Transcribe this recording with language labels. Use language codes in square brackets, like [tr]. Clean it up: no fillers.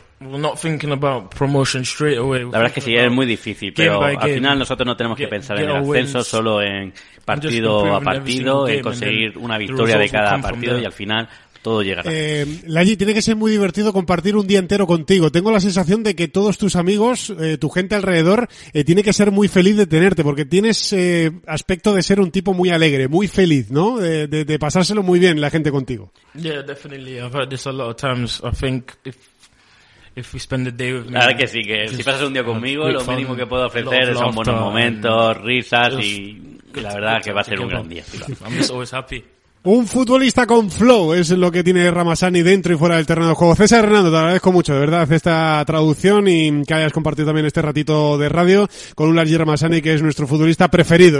[es] La verdad es que sí, es muy difícil, pero al final nosotros no tenemos que pensar en el ascenso, solo en partido a partido, en conseguir una victoria de cada partido y al final todo llegará. Lanji, tiene que ser muy divertido compartir un día entero contigo. Tengo la sensación de que todos tus amigos, tu gente alrededor, tiene que ser muy feliz de tenerte, porque tienes aspecto de ser un tipo muy alegre, muy feliz, ¿no? De pasárselo muy bien la gente contigo. [en] Yeah, definitely. I've heard this a lot of times. I think if we spend a day with me, [es] claro que sí, que si pasas un día conmigo, lo mínimo que puedo ofrecer son buenos momentos, risas y la verdad que va a ser un gran día. [en] I'm just always happy. [es] Un futbolista con flow es lo que tiene Ramazani dentro y fuera del terreno de juego. César Hernando, te agradezco mucho, de verdad, esta traducción y que hayas compartido también este ratito de radio con un Lanji Ramazani que es nuestro futbolista preferido.